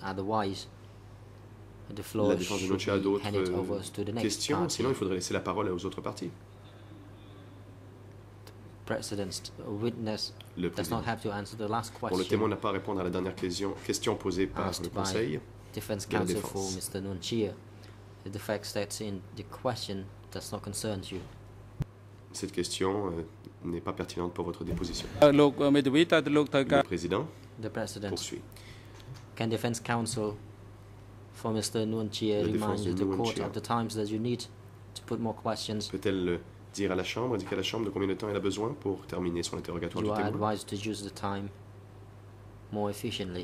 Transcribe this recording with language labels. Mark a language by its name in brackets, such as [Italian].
[English] Otherwise, the floor should be handed over to the next party. [French] Sinon, il faudrait laisser la parole aux autres parties. [English] president's witness does not have to answer the last question. [French] Bon, le témoin n'a pas à répondre à la dernière question posée par le conseil. [English] Defense counsel for Mr. Nunchia. The fact that's in the question does not concern you. [French] Cette question n'est pas pertinente pour votre déposition. Le président. [English] The president. [French] Poursuit. [English] Can defense counsel for Mr. Nunchia remind the court of the times that you need to put more questions? [French] Peut-elle dire à la chambre, indiquer à la chambre de combien de temps elle a besoin pour terminer son interrogatoire [English] you [French] du témoin? [English] You are advised to use the time more efficiently.